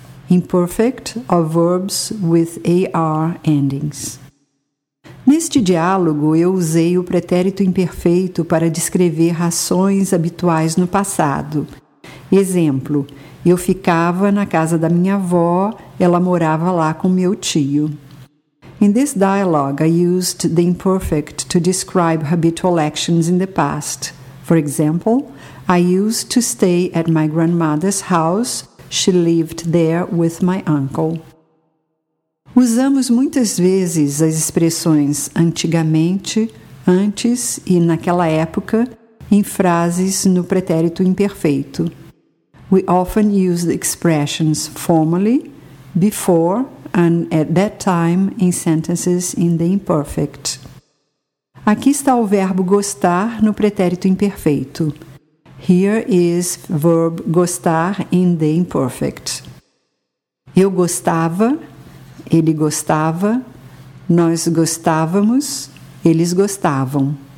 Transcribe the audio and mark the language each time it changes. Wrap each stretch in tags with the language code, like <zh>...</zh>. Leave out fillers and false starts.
<en>Imperfect of verbs with AR endings.</en> <pt>Neste diálogo, eu usei o pretérito imperfeito para descrever ações habituais no passado. Exemplo, eu ficava na casa da minha avó, ela morava lá com meu tio.</pt> <en>In this dialogue, I used the imperfect to describe habitual actions in the past. For example, I used to stay at my grandmother's house. She lived there with my uncle.</en> <pt>Usamos muitas vezes as expressões antigamente, antes e naquela época em frases no pretérito imperfeito.</pt> <en>We often use the expressions formerly, before, and at that time in sentences in the imperfect.</en> <pt>Aqui está o verbo gostar no pretérito imperfeito.</pt> <en>Here is verb gostar in the imperfect.</en> <pt>Eu gostava, ele gostava, nós gostávamos, eles gostavam.</pt>